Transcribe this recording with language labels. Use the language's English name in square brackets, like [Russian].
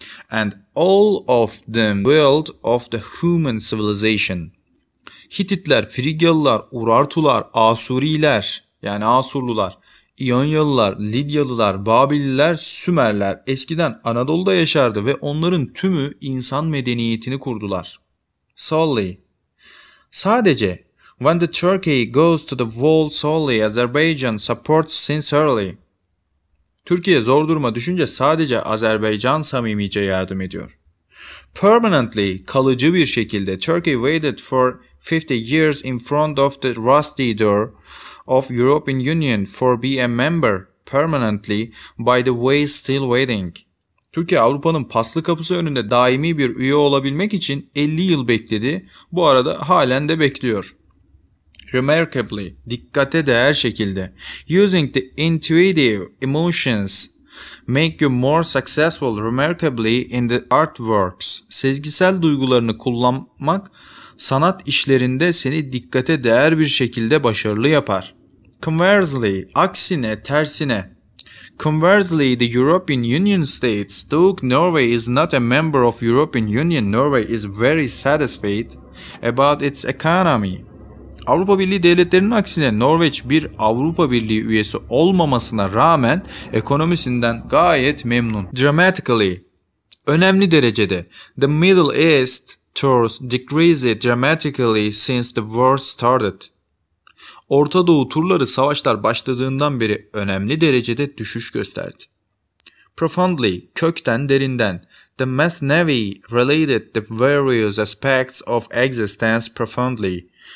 [English] And all of them built of the human civilization. [Turkish] Hititler, Frigyalılar, Urartular, Asuriler, yani Asurlular, İyonyalılar, Lidyalılar, Babililer, Sümerler eskiden Anadolu'da yaşardı ve onların tümü insan medeniyetini kurdular. [English] Solely. Sadece. When the Turkey goes to the wall solely, Azerbaijan supports sincerely. [Turkish] Türkiye zor duruma düşünce sadece Azerbaycan samimice yardım ediyor. [English] Permanently, [Turkish] kalıcı bir şekilde, [English] Turkey waited for 50 years in front of the rusty door of European Union for be a member permanently, by the way still waiting. [Turkish] Türkiye Avrupa'nın paslı kapısı önünde daimi bir üye olabilmek için 50 yıl bekledi, bu arada halen de bekliyor. Remarkably, dikkate değer şekilde. [English] Using the intuitive emotions make you more successful remarkably in the artworks. [Turkish] Sezgisel duygularını kullanmak sanat işlerinde seni dikkate değer bir şekilde başarılı yapar. Conversely, aksine, tersine. [English] Conversely, the European Union states, though Norway is not a member of European Union, Norway is very satisfied about its economy. [Turkish] Avrupa Birliği devletlerinin aksine Norveç bir Avrupa Birliği üyesi olmamasına rağmen ekonomisinden gayet memnun. [English] Dramatically, [Turkish] önemli derecede. [English] The Middle East tours decreased dramatically since the war started. [Turkish] Orta Doğu turları savaşlar başladığından beri önemli derecede düşüş gösterdi. profoundly, kökten, derinden. [English] The Mathnavi related the various aspects of existence profoundly.